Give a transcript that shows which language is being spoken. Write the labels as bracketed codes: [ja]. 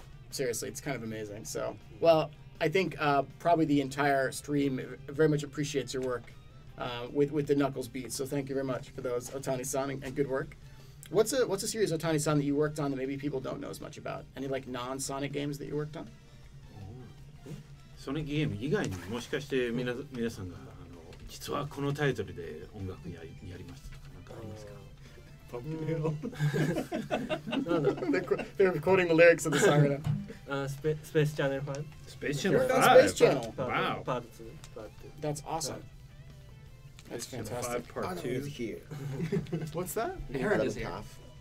[en] Seriously, it's kind of amazing. So, well... I think probably the entire stream very much appreciates your work with the Knuckles beats. So thank you very much for those, Ohtani-san, and good work. What's a series, Ohtani-san, that you worked on that maybe people don't know as much about? Any like non-Sonic games that you worked on? [ja] Sonic game 以外にもしかして皆さんが実はこのタイトルで音楽やりましたとかなんかありますか？ [en] They're quoting the lyrics of the song right now. Space Channel 5. Space Channel 5. You're on Space Channel. Wow. Part 2. That's awesome. That's Space fantastic. Channel 5, part 2. Is here. What's that? Aaron is here. Half.